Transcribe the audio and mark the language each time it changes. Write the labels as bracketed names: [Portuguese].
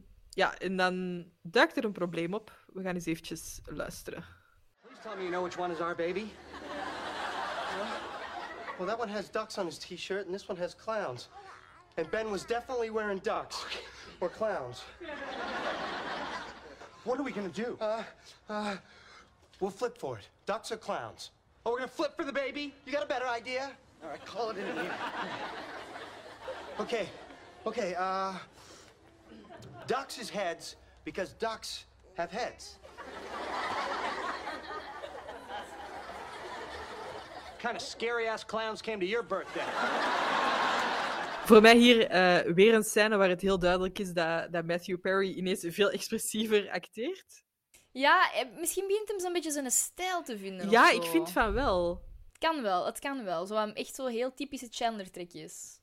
[Dutch] Ja, en dan duikt er een probleem op. We gaan eens eventjes luisteren. [English] Please tell me you know which one is our baby. Well, that one has ducks on his t-shirt and this one has clowns. And Ben was definitely wearing ducks. Okay. Or clowns. What are we gonna do? We'll flip for it. Ducks or clowns? Oh, we're gonna flip for the baby? You got a better idea? All right, call it in here. Okay, okay, ducks is heads because ducks have heads. kind of scary ass clowns came to your birthday? [Dutch] Voor mij hier weer een scène waar het heel duidelijk is dat Matthew Perry ineens veel expressiever acteert. Ja, misschien begint hem zo'n beetje zijn stijl te vinden. Ja, of zo. Ik vind van wel. Het kan wel. Zo echt zo heel typische Chandler-trekjes.